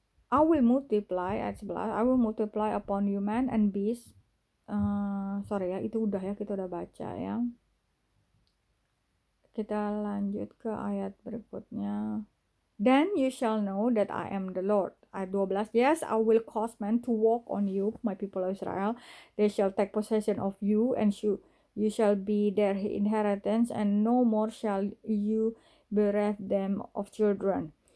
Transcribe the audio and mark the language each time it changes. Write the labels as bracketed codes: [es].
[en] I will multiply at 11, I will multiply upon you man and beast. [id] Sorry ya, itu udah ya, kita udah baca ya, kita lanjut ke ayat berikutnya. [en] Then you shall know that I am the Lord. Ayat 12, yes, I will cause men to walk on you, my people of Israel. They shall take possession of you, and you shall be their inheritance, and no more shall you bereft them of children.